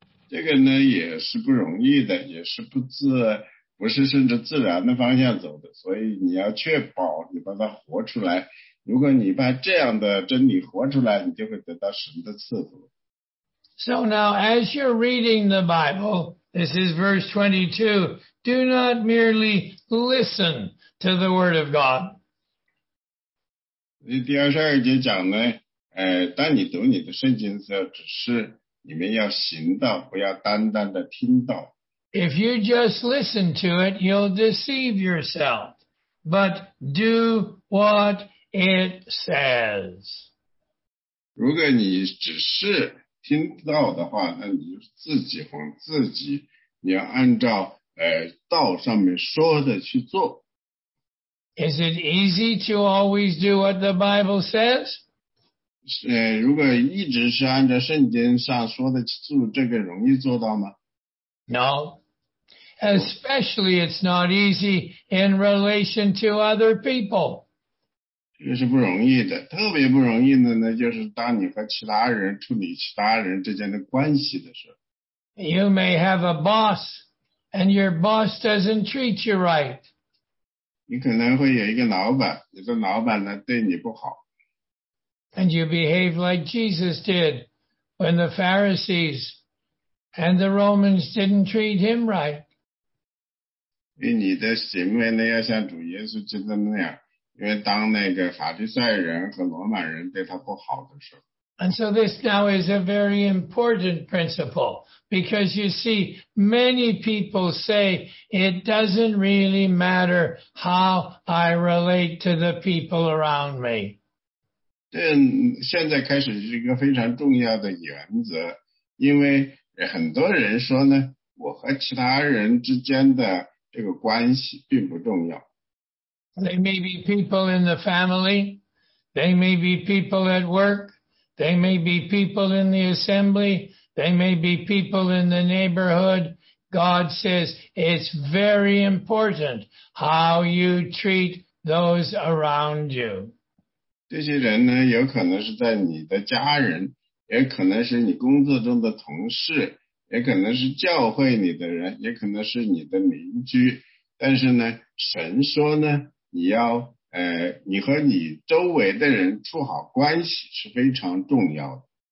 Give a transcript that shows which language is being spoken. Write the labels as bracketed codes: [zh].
[zh] 这个呢也是不容易的，也是不是顺着自然的方向走的，所以你要确保你把它活出来。如果你把这样的真理活出来，你就会得到神的赐福。 [en] So now, as you're reading the Bible, this is verse 22, do not merely listen to the word of God. [zh] 第二十二节讲呢，当你读你的圣经的时候，只是你们要行道，不要单单的听道。 [en] If you just listen to it, you'll deceive yourself. But do what it says. [zh] 如果你只是听到的话，那你就自己哄自己，你要按照道上面说的去做。 [en] Is it easy to always do what the Bible says? [zh] 如果一直是按照圣经上说的去做，这个容易做到吗？ [en] No. Especially it's not easy in relation to other people. [zh] 这是不容易的，特别不容易的呢，就是当你和其他人处理其他人之间的关系的时候。 [en] You may have a boss, and your boss doesn't treat you right. [zh] 你可能会有一个老板，你的老板呢，对你不好。 [en] And you behave like Jesus did when the Pharisees and the Romans didn't treat him right. [zh] 因为你的行为呢，要像主耶稣基督那样，因为当那个法利赛人和罗马人对他不好的时候。 [en] And so this now is a very important principle, because you see, many people say it doesn't really matter how I relate to the people around me. [zh] 现在开始是一个非常重要的原则，因为很多人说呢，我和其他人之间的这个关系并不重要。 [en] They may be people in the family. They may be people at work. They may be people in the assembly. They may be people in the neighborhood. God says it's very important how you treat those around you. [zh] 这些人呢，有可能是在你的家人，也可能是你工作中的同事。也可能是教会你的人，也可能是你的邻居，但是呢，神说呢，你要你和你周围的人处好关系是非常重要的。